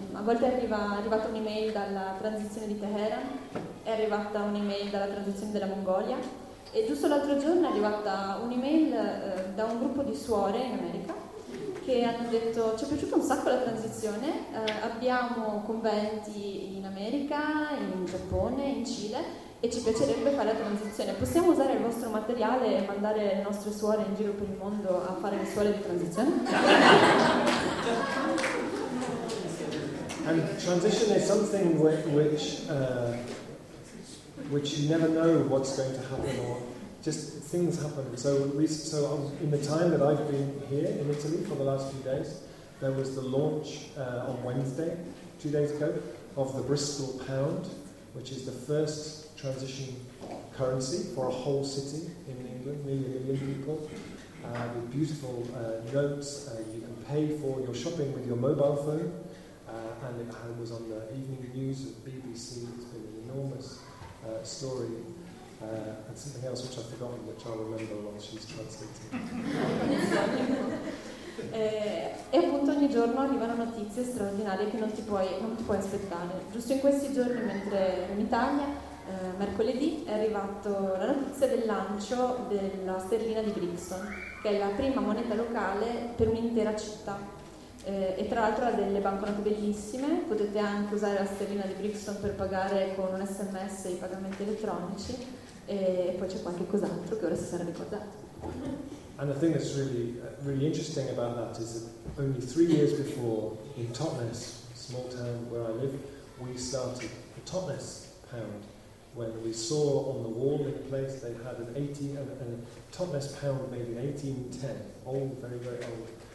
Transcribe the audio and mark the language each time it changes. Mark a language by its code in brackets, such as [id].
[it] A volte è arrivata un'email dalla transizione di Teheran, è arrivata un'email dalla transizione della Mongolia, e giusto l'altro giorno è arrivata un'email da un gruppo di suore in America che hanno detto: ci è piaciuta un sacco la transizione, abbiamo conventi in America, in Giappone, in Cile, e ci piacerebbe fare la transizione. Possiamo usare il vostro materiale e mandare le nostre suore in giro per il mondo a fare le suore di transizione? [en] And transition is something which you never know what's going to happen, or just things happen. So in the time that I've been here in Italy for the last few days, there was the launch on Wednesday, 2 days ago, of the Bristol Pound, which is the first transition currency for a whole city in England, nearly a million people, with beautiful notes. You can pay for your shopping with your mobile phone. And it was on the evening news of BBC. It's been an enormous story. And something else which I've forgotten, which I'll remember while she's translating. [it] E appunto ogni giorno arrivano notizie straordinarie che non ti puoi aspettare. Giusto in questi giorni, mentre in Italia, mercoledì, è arrivata la notizia del lancio della sterlina di Brixton, che è la prima moneta locale per un'intera città. E tra l'altro ha delle banconote bellissime, potete anche usare la sterlina di Brixton per pagare con un SMS i pagamenti elettronici, e poi c'è qualche cos'altro che ora si sarà ricordato. [en] And the thing that's really interesting about that is that only 3 years before, in Totnes, a small town where I live, we started the Totnes Pound, when we saw on the wall in the place they had a Totnes Pound made in 1810, old, very, very old.